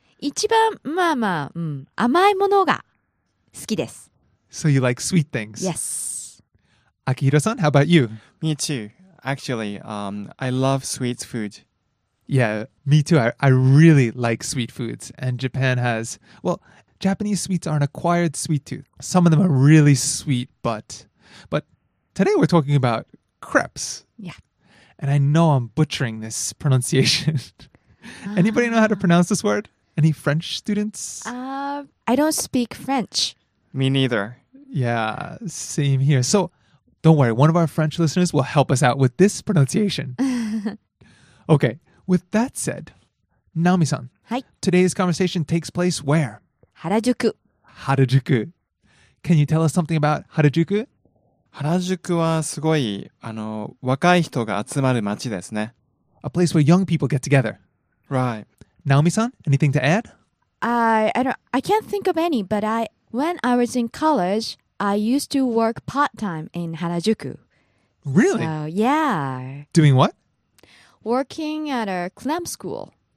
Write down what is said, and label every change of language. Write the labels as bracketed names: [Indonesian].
[Japanese] 一番、まあまあ、甘いものが好きです。 [English] So you like sweet things? Yes. アキヒロさん、 how about you? Me tooActually, I love sweet food. Yeah, me too. I really like sweet foods. And Japan has... Well, Japanese sweets are an acquired sweet tooth. Some of them are really sweet, but today we're talking about crepes. Yeah. And I know I'm butchering this pronunciation. Anybody know how to pronounce this word? Any French students? I don't speak French. Me neither. Yeah, same here. So... Don't worry, one of our French listeners will help us out with this pronunciation. Okay, with that said, Naomi-san. Hi. Today's conversation takes place where? Harajuku. Harajuku. Can you tell us something about Harajuku? [Japanese] Harajuku はすごい、若い人が集まる街ですね。 [English] A place where young people get together. Right. Naomi-san, anything to add? I can't think of any, but when I was in college... I used to work part-time in Harajuku. Really? So, yeah. Doing what? Working at a cram school.